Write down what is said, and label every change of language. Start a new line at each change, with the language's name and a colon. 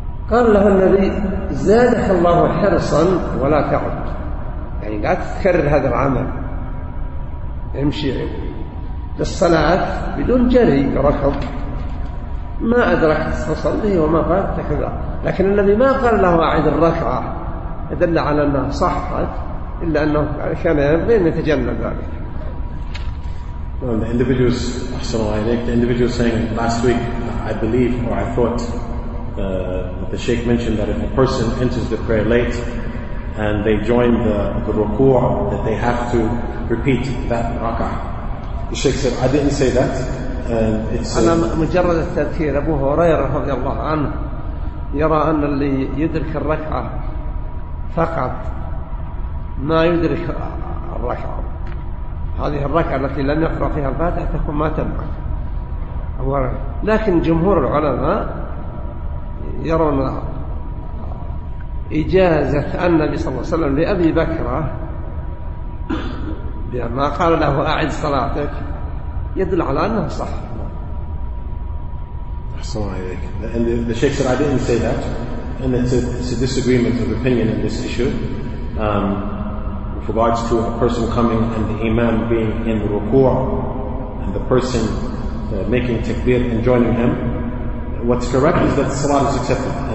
Arabic: قال له النبي زادك الله حرصا ولا تعد، يعني لا تكرر هذا العمل، امشي للصلاة بدون جري ركض، ما أدركت فصلي وما فاتك كذا. لكن النبي ما قال له أعد الركعة، دل على أنها صحت، إلا أنه كان ينبغي أن يتجنب ذلك.
English: The individuals, the individual saying last week, I believe or I thought, the Sheikh mentioned that if a person enters the prayer late and they join the ruku', that they have to repeat that rak'ah. The Sheikh said, I didn't say that.
Arabic: أنا مجرد التذكير. أبو هريرة رضي الله عنه يرى أن اللي يدرك الركعة فقط ما يدرك الركعة، هذه الركعة التي لم يقرأ فيها الفاتحة تكون ما تمت. لكن جمهور العلماء يرون إجازة النبي صلى الله عليه وسلم لأبي بكر بما قال له أعد صلاتك يدل على أنه صح.
English: And the Sheikh said, I didn't say that. And it's a disagreement of opinion in this issue. With regards to a person coming and the Imam being in ruku' and the person making takbir and joining him, what's correct is that the salat is accepted.